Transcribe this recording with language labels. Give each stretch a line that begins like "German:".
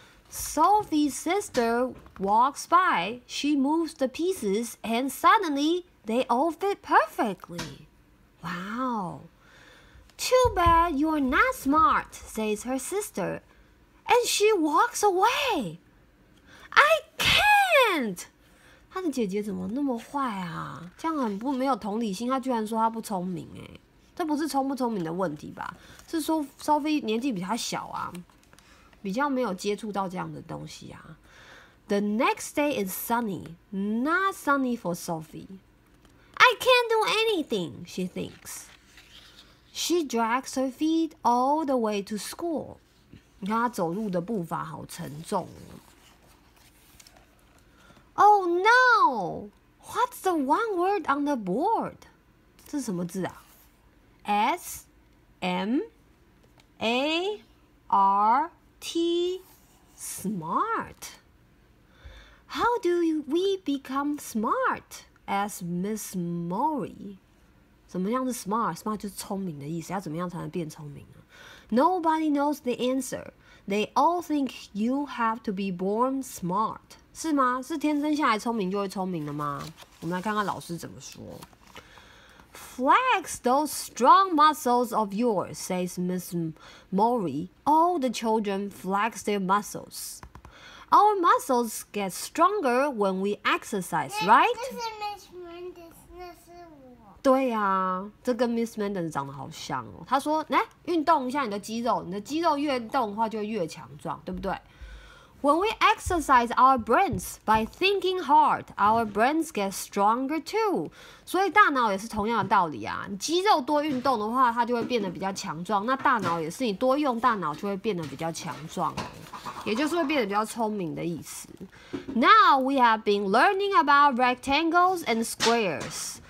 English: Sophie's sister walks by, she moves the pieces, and suddenly they all fit perfectly. Wow! Too bad you're not smart, says her sister. And she walks away. I can't.
Chinese: 她的姐姐怎么那么坏啊？这样很不没有同理心。她居然说她不聪明哎，这不是聪不聪明的问题吧？是说 Sophie 年纪比她小啊，比较没有接触到这样的东西啊。
English: The next day is sunny, not sunny for Sophie. I can't do anything, she thinks. She drags her feet all the way to school.
Chinese: 你看他走路的步伐好沉重哦。
English: Oh no! What's the one word on the board?
Chinese: 这是什么字啊 ？S M A R T smart.
English: How do we become smart? As Miss Mori.
Chinese: 怎么样是
English: smart?
Chinese: Smart 就是聪明的意思。要怎么样才能变聪明呢 ？
English: Nobody knows the answer. They all think you have to be born smart,
Chinese: 是吗？是天生下来聪明就会聪明的吗？我们来看看老师怎么说。
English: Flex those strong muscles of yours, says Miss Mori. All the children flex their muscles. Our muscles get stronger when we exercise, right?
Chinese: 这是 Miss Mendes, 那是我。对呀、啊，这跟 Miss Mendes 长得好像哦。他说：“来，运动一下你的肌肉，你的肌肉越动的话就越强壮，对不对 ？”
English: When we exercise our brains by thinking hard, our brains get stronger too.
Chinese: 所以大脑也是同样的道理啊。你肌肉多运动的话，它就会变得比较强壮。那大脑也是，你多用大脑就会变得比较强壮。也就是会变得比较聪明的意思。
English: Now we have been learning about rectangles and squares.